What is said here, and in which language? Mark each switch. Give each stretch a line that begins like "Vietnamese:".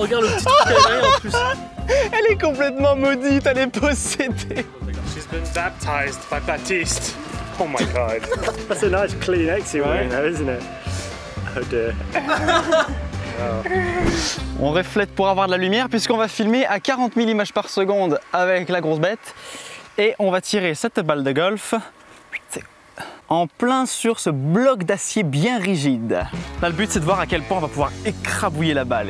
French: Regarde le petit truc qu'elle a en plus. Elle est complètement maudite. Elle est possédée.
English: She's been baptized by Baptiste. Oh my god. That's a nice clean exit right now, isn't it? Oh dear. Oh.
French: On reflète pour avoir de la lumière puisqu'on va filmer à 40000 images par seconde avec la grosse bête et on va tirer cette balle de golf. C'est en plein sur ce bloc d'acier bien rigide. Là, le but, c'est de voir à quel point on va pouvoir écrabouiller la balle.